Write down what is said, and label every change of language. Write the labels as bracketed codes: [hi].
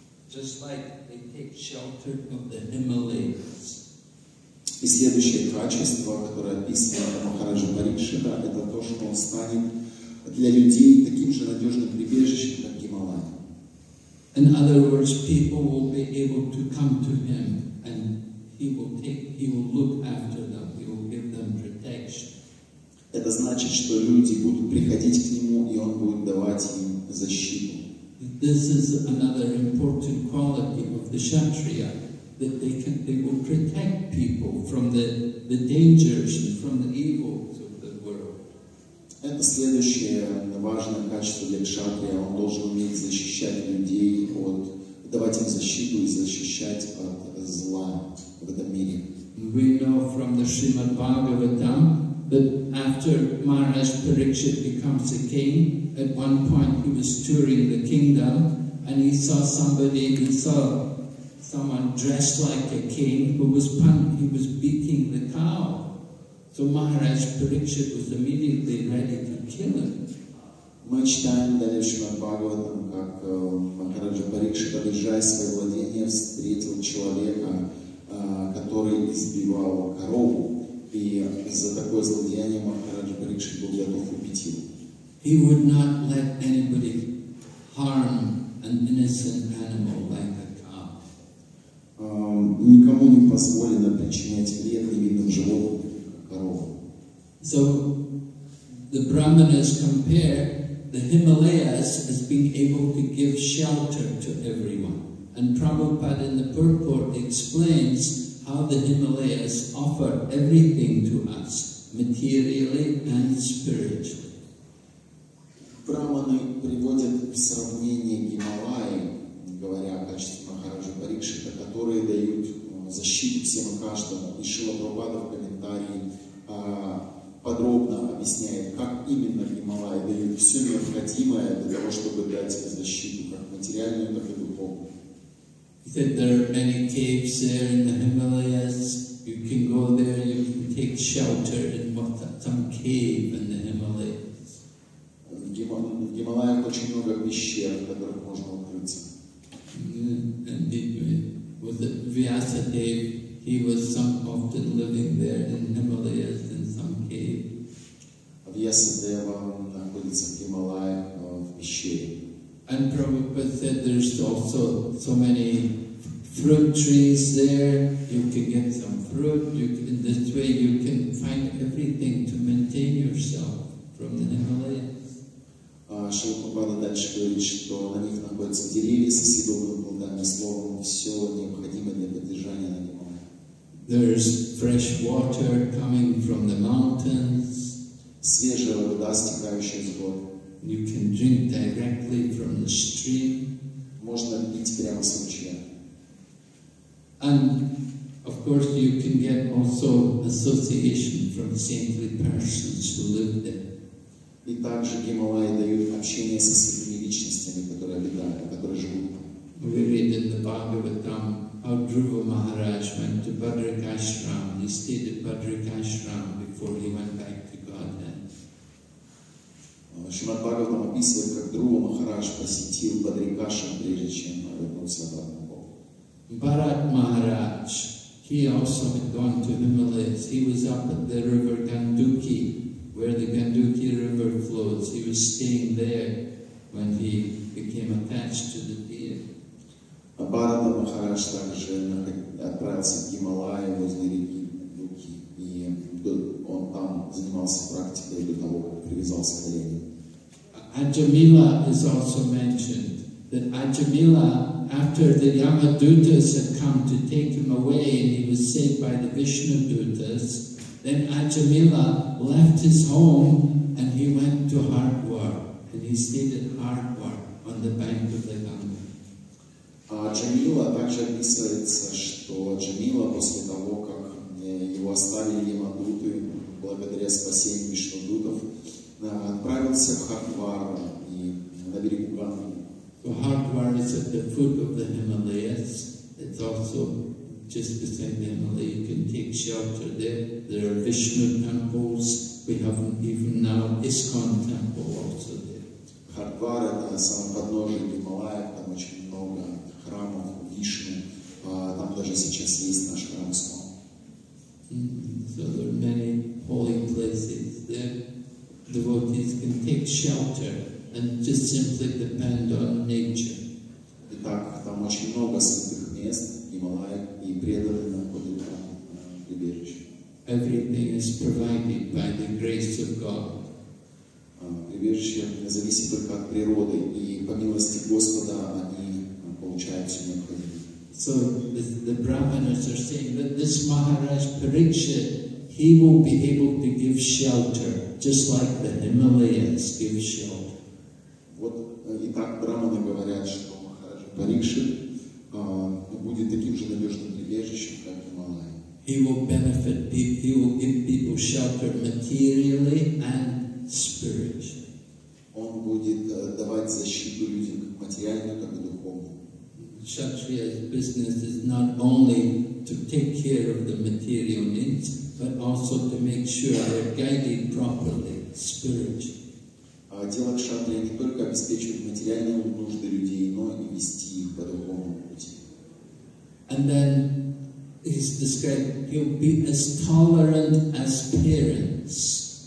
[en] Just like they take shelter of the Himalayas. [ru] И следующее качество, которое описано Махараджа Парикшита, это то, что он станет для людей таким же надежным прибежищем, как Гималая. [en] In other words, people will be able to come to him, and he will look after them, he will give them protection. [ru] Это значит, что люди будут приходить к нему, и он будет давать им защиту. [en] This is another important quality of the kshatriya, that they will protect people from the dangers and from the evils of the world. [ru] Это следующее важное качество для кшатрия. Он должен уметь защищать людей от, давать им защиту и защищать от зла в этом мире. [en] We know from the Srimad Bhagavatam that after Maharaj Parikshit becomes a king, at one point he was touring the kingdom and he saw someone dressed like a king who was beating the cow. So Maharaj Parikshit was immediately ready to kill him. [ru] Мы читаем далее в Шримад Бхагаватам, как Махараджа Парикшит, подъезжая в свое владение, встретил человека, который избивал корову. И за такое злодеяние Махараджа Парикшит был готов убить его. [en] He would not let anybody harm an innocent animal like a cow. [ru] Никому не позволено причинять вред невинным животным, как корова. [en] So the Brahmanas compare the Himalayas as being able to give shelter to everyone. And Prabhupada in the purport explains how the Himalayas offer everything to us, materially and spiritually. [ru] Браманы приводят в сравнение Гималаи, говоря о качестве Махараджа Парикшита, которые дают защиту всем и каждому. И Шрила Прабхупада в комментарии подробно объясняет, как именно Гималаи дают все необходимое для того, чтобы дать защиту, как материальную, так и духовную. [en] He said, there are many caves there in the Himalayas. You can go there, you can take shelter in some cave in the Himalayas. [ru] В Гималаях очень много пещер, в которых можно укрыться. [en] And was it Vyasadev? He was some often living there in Himalayas in some cave. [ru] Vyasadev находится в Гималаях в пещере. [en] And Prabhupada said there's also so many fruit trees there. You can get some fruit. In this way you can find everything to maintain yourself from the Himalayas. [ru] Шрила Прабхупада дальше говорит, что на них находятся деревья со съедобным плодами, словом, все необходимое для поддержания на нем. [en] There's fresh water coming from the mountains. [ru] Свежая вода, стекающая с гор. [en] You can drink directly from the stream. [ru] Можно пить прямо с ручья. [en] And of course you can get also association from saintly persons who live there. [ru] И также Гималаи дают общение со святыми личностями, которые обитают, которые живут. [en] We read in the Bhagavatam how Dhruva Maharaj went to Bhadrakashram. He stayed at Bhadrakashram before he went back to Godhead. [ru] Шримад Бхагаватам описывает, как Дхрува Махарадж посетил Бхадракашрам, прежде чем вернулся обратно в Бог. [en] Bharat Maharaj, he also had gone to Himalayas. He was up at the river Ganduki, where the Ganduki river flows. He was staying there when he became attached to the deer. [ru] Bharata Maharaj также отправился в Гималаи возле реки Ганги, и он там занимался практикой до того, как привязался к олене. [en] Аджамила is also mentioned. that Ajamila, after the Yamadutas had come to take him away and he was saved by the Vishnu Dutas, then Ajamila left his home and he went to Haridwar, and he stayed at Haridwar on the bank of the Ganga. [ru] Ajamila также описывается, что Ajamila после того, как его оставили Ямадуты, благодаря спасению Вишну Дутов, отправился в Хардвар и на берегу Ганги. [en] So Haridwar is at the foot of the Himalayas. It's also just beside the Himalayas. You can take shelter there. There are Vishnu temples. We have even now ISKCON temple also there. [ru] Haridwar – это самое подножие Гималаев. Там очень много храмов Вишну. Там даже сейчас есть наш храм ISKCON. [en] So there are many holy places there. Devotees can take shelter and just simply depend on nature. [ru] Итак, там очень много святых мест, Гималаи, и преданные находят там прибежище. [en] Everything is provided by the grace of God. [ru] Прибежище зависит только от природы, и по милости Господа они получают все необходимое. [en] So the Brahmanas are saying that this Maharaj Parikshit, he will be able to give shelter, just like the Himalayas give shelter. [ru] Вот и так браманы говорят, что Махараджа Парикшит будет таким же надежным прибежищем, как Гималаи. [en] He will benefit people, he will give people shelter materially and spiritually. [ru] Он будет давать защиту людям как материальную, так и духовную. [en] Кшатрия's business is not only to take care of the material needs, but also to make sure they're guided properly spiritually. [ru] Дело кшатрия не только обеспечивать материальные нужды людей, но и вести их по другому пути. [en] And then he's described, he'll be as tolerant as parents.